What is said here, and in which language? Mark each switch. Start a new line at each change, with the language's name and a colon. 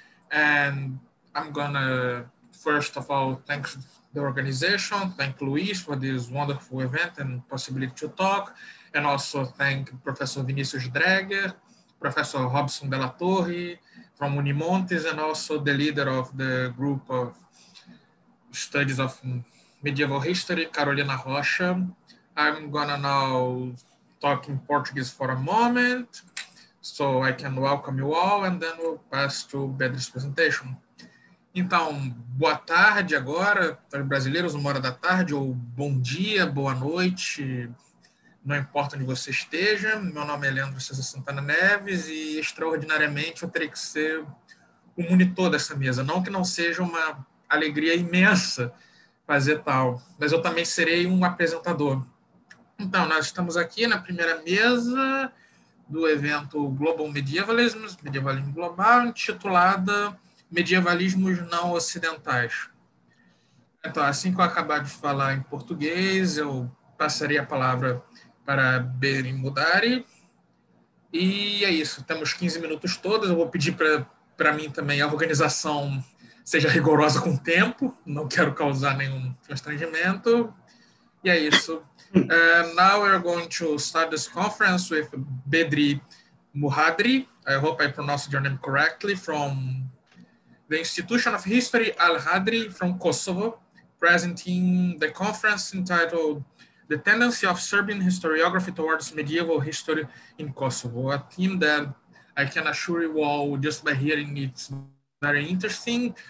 English: And I'm gonna, first of all, thank the organization, thank Luis for this wonderful event and possibility to talk, and also thank Professor Vinicius Dreger, Professor Robson Della Torre from Unimontes, and also the leader of the group of studies of medieval history, Carolina Rocha. I'm gonna now talk in Portuguese for a moment so I can welcome you all and then we'll pass to Bedri's presentation.
Portuguese: Então, boa tarde agora, para os brasileiros, uma hora da tarde, ou bom dia, boa noite, não importa onde você esteja. Meu nome é Leandro César Santana Neves e, extraordinariamente, eu teria que ser o monitor dessa mesa. Não que não seja uma alegria imensa fazer tal, mas eu também serei um apresentador. Então, nós estamos aqui na primeira mesa do evento Global Medievalisms, Medievalismo Global, intitulada Medievalismos Não Ocidentais. Então, assim que eu acabar de falar em português, eu passarei a palavra para Beren Mudari. E é isso, temos 15 minutos todos, eu vou pedir para mim também a organização seja rigorosa com o tempo, não quero causar nenhum constrangimento. E é isso.
English: Now we're going to start this conference with Bedri Muhadri. I hope I pronounced your name correctly, from the Institution of History Al-Hadri from Kosovo, presenting the conference entitled The Tendency of Serbian Historiography Towards Medieval History in Kosovo, a theme that I can assure you all just by hearing it's very interesting.